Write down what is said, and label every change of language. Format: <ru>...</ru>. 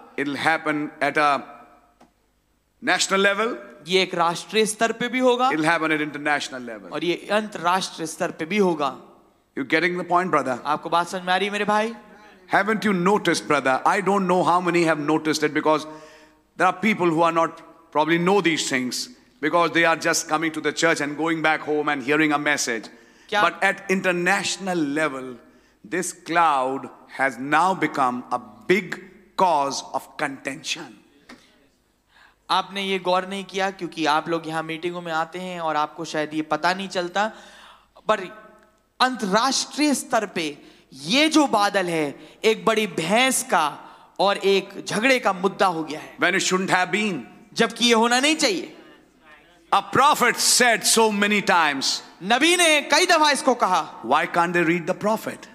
<en>It'll happen at a national level.</en> <hi>ये एक राष्ट्रीय स्तर पे भी होगा.</hi> <en>It'll happen at international level.</en> <hi>और ये अंतर्राष्ट्रीय स्तर पे भी होगा.</hi> <en>You're getting the point, brother.</en> <hi>आपको बात समझ में आ रही है मेरे भाई?</hi> <en>Haven't you noticed, brother? I don't know how many have noticed it because there are people who are not probably know these things because they are just coming to the church and going back home and hearing a message.</en> <hi>क्या?</hi> <en>But at international level, this cloud has now become a big cause of contention.</en> <hi>आपने ये गौर नहीं किया क्योंकि आप लोग यहाँ मीटिंगों में आते हैं और आपको शायद ये पता नहीं चलता, पर अंतर्राष्ट्रीय स्तर पे ये जो बादल है एक बड़ी भैंस का और एक झगड़े का मुद्दा हो गया है.</hi> <en>When it shouldn't have been.</en> <hi>जबकि ये होना नहीं चाहिए.</hi> <en>A prophet said so many times.</en> <hi>नबी ने कई दफा इसको कहा.</hi> <en>Why can't they read the prophet?</en>